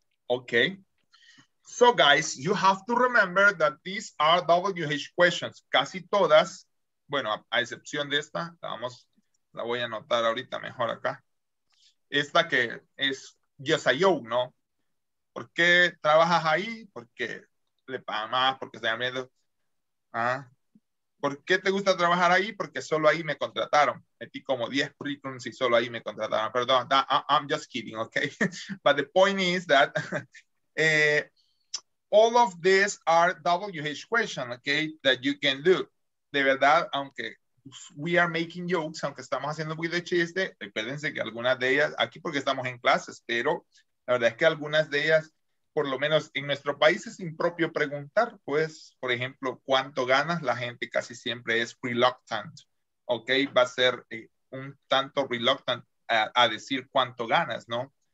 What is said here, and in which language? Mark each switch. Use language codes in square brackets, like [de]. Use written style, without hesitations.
[en] Okay, so guys, you have to remember that these are WH questions. [es] Casi todas, bueno, a excepción de esta, la voy a anotar ahorita mejor acá. Esta que es [en] yes I own, [es] ¿no? ¿Por qué trabajas ahí? ¿Por qué le pagan más? ¿Por qué se da miedo? ¿Ah? ¿Por qué te gusta trabajar ahí? Porque solo ahí me contrataron. Metí como 10 currículums y solo ahí me contrataron. Perdón, [en] I'm just kidding, okay? But the point is that all of these are WH questions, okay? That you can do. [es] De verdad, aunque [en] we are making jokes, [es] aunque estamos haciendo un poquito de chiste, recuérdense que algunas de ellas, aquí porque estamos en clases, pero la verdad es que algunas de ellas, por lo menos en nuestro país, es impropio preguntar, pues, por ejemplo, ¿cuánto ganas? La gente casi siempre es reluctant, ¿ok? Va a ser un tanto reluctant a decir cuánto ganas, ¿no?